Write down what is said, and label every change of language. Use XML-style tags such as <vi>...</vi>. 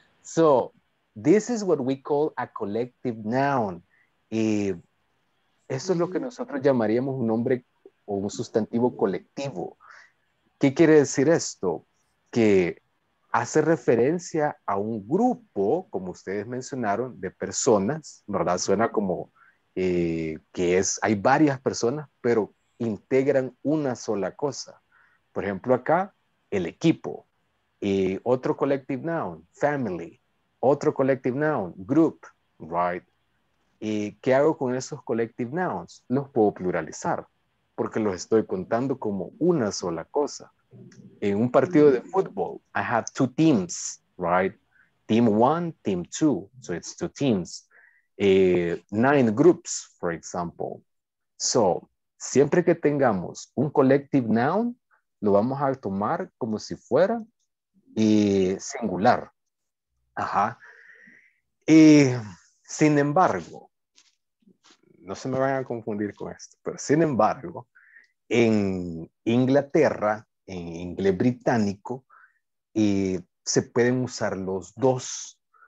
<en>So, this is what we call a collective noun.</en> <es>Y eso es lo que nosotros llamaríamos un nombre o un sustantivo colectivo. ¿Qué quiere decir esto? Que hace referencia a un grupo, como ustedes mencionaron, de personas, ¿verdad? Suena como que es, hay varias personas, pero integran una sola cosa. Por ejemplo, acá, el equipo. Y otro</es> <en>collective noun, family.</en> <es>Otro</es> <en>collective noun, group, right?</en> <es>¿Y qué hago con esos</es> <en>collective nouns?</en> <es>Los puedo pluralizar, porque los estoy contando como una sola cosa. En un partido de fútbol,</es> <en>I have two teams, right? Team one, team two, so it's two teams. Nine groups, for example. So,</en> <es>siempre que tengamos un</es> <en>collective noun,</en> <es>lo vamos a tomar como si fuera singular. Ajá. Sin embargo, no se me vayan a confundir con esto, pero sin embargo, en Inglaterra, en inglés británico, se pueden usar los dos.</es>